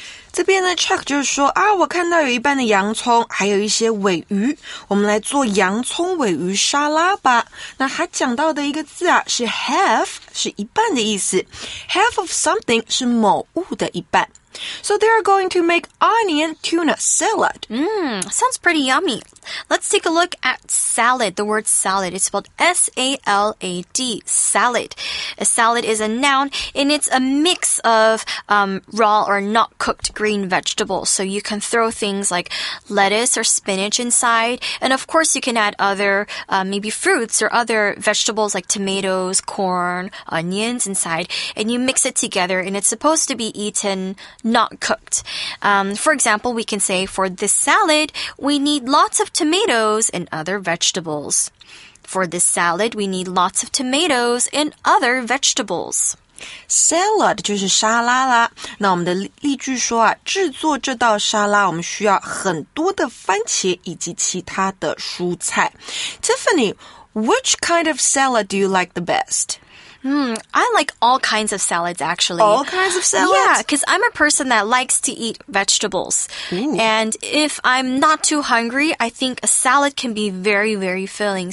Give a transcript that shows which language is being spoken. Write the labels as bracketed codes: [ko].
[zh] 这边呢 Chuck 就是说啊，我看到有一半的洋葱还有一些尾鱼，我们来做洋葱尾鱼沙拉吧。那他讲到的一个字啊是 half, 是一半的意思。 [en] Half of something [zh] 是某物的一半。 [en] So they are going to make onion tuna salad. Sounds pretty yummy. Let's take a look at salad, the word salad. It's spelled S-A-L-A-D, salad. A salad is a noun, and it's a mix of raw or not cooked green vegetables. So you can throw things like lettuce or spinach inside. And of course, you can add other maybe fruits or other vegetables like tomatoes, corn, onions inside. And you mix it together, and it's supposed to be eatennot cooked. For example, we can say for this salad, we need lots of tomatoes and other vegetables. For this salad, we need lots of tomatoes and other vegetables. [zh] Salad 就是沙拉啦。那我们的例句说啊，制作这道沙拉我们需要很多的番茄以及其他的蔬菜。 [en] Tiffany, which kind of salad do you like the best? I like all kinds of salads, actually. All kinds of salads? Yeah, because I'm a person that likes to eat vegetables. Ooh. And if I'm not too hungry, I think a salad can be very, very filling.